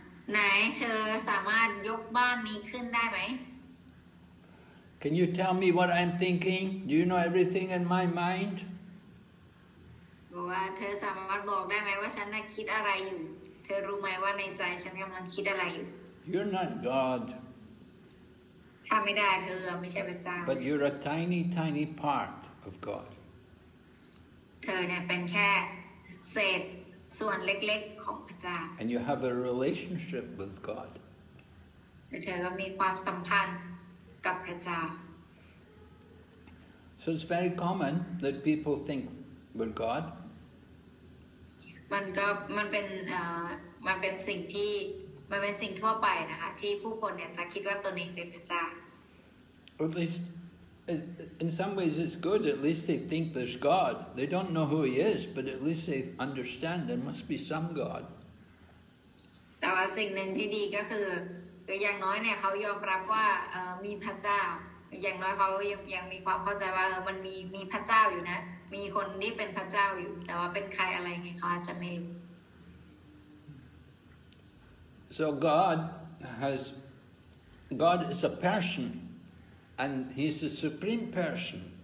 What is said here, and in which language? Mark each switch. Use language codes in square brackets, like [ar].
[th] ไหนเธอสามารถยกบ้านนี้ขึ้นได้ไหม [en] Can you tell me what I'm thinking? Do you know everything in my mind? [th] ว่าเธอสามารถบอกได้ไหมว่าฉันน่ะคิดอะไรอยู่เธอรู้ไหมว่าในใจฉันกำลังคิดอะไรอยู่ [en] You're not God [th] ข้าไม่ได้เธอไม่ใช่พระเจ้า [en] But you're a tiny tiny part of God [th] เธอเนี่ยเป็นแค่เศษส่วนเล็กๆของพระเจ้า [en] And you have a relationship with God [th] เธอก็มีความสัมพันธ์กับพระเจ้า [en] So it's very common that people think with God [th] มันเป็นสิ่งที่มันเป็นสิ่งทั่วไปนะคะที่ผู้คนเนี่ยจะคิดว่าตัวเองเป็นพระเจ้า [en] At least in some ways it's good at least they think there's God they don't know who he is but at least they understand there must be some God [th] แต่ว่าสิ่งหนึ่งที่ดีก็คืออย่างน้อยเนี่ยเขายอมรับว่ามีพระเจ้าอย่างน้อยเขายังมีความเข้าใจว่ามันมีพระเจ้าอยู่นะมีคนที่เป็นพระเจ้าอยู่แต่ว่าเป็นใครอะไรไงเขาอาจจะไม่รู้ [en] So God is a person, and he's the supreme person.